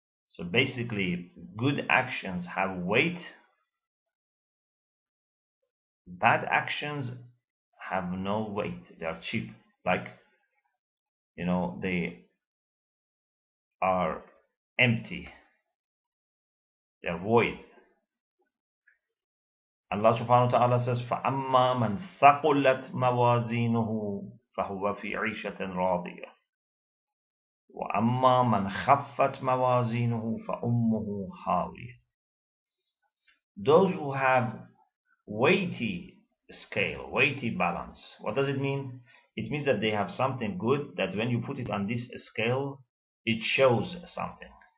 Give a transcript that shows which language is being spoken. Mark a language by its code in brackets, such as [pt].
[en] So basically, good actions have weight, bad actions have no weight. They are cheap. Like, you know, they are empty, they are void. Allah subhanahu wa ta'ala says, [ar] فَأَمَّا مَنْ ثَقُلَتْ مَوَازِينُهُ فَهُوَ فِي عِيشَةٍ رَاضِيَةٍ وَأَمَّا مَنْ خَفَّتْ مَوَازِينُهُ فَأُمُّهُ هَاوِيَةٍ. [en] Those who have weighty scale, weighty balance, what does it mean? It means that they have something good that when you put it on this scale, it shows something.